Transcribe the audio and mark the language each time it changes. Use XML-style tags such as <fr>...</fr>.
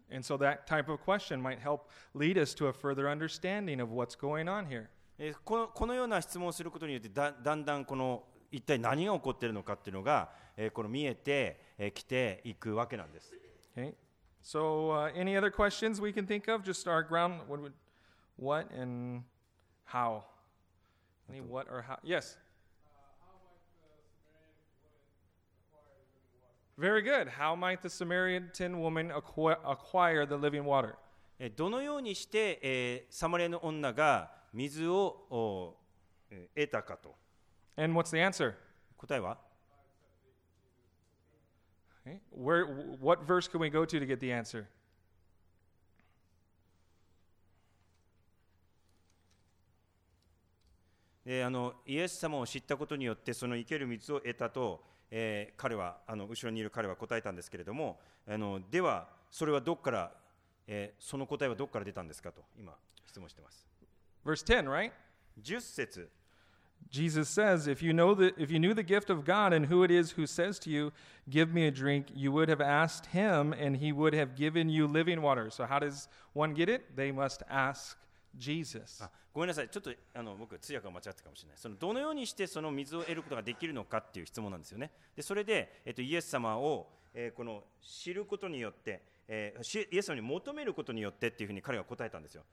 <en>And so that type of question might help lead us to a further understanding of what's going on here.</en> <ja>このような質問をすることによって、だんだんこの一体何が起こっているのかっていうのが、この見えてきていくわけなんです。</ja> <en>Okay. So, any other questions we can think of? Just our ground. What and how? Any what or how? Yes. Very good. How might the Samaritan woman acquire the living water?</en> <ja>どのようにして、サマリアの女が水を、得たかと。</ja> <en>And what's the answer?</en> <ja>答えは?</ja> <en>Okay. Where? What verse can we go to get the answer?</en> <ja>イエス様を知ったことによってその生ける水を得たと、彼は後ろにいる彼は答えたんですけれども、ではそれはどこから、その答えはどこから出たんですかと今質問しています。</ja> <en>Verse 10, right?</en> <ja>10節。</ja> <en>Jesus says, if you knew the gift of God and who it is who says to you, give me a drink, you would have asked him and he would have given you living water. So how does one get it? They must ask Jesus.</en> <ja>ごめんなさい。ちょっと僕通訳が間違ってかもしれない。そのどのようにしてその水を得ることができるのかっていう質問なんですよね。でそれで、イエス様を、この知ることによって、イエス様に求めることによってっていうふうに彼が答えたんですよ。</ja>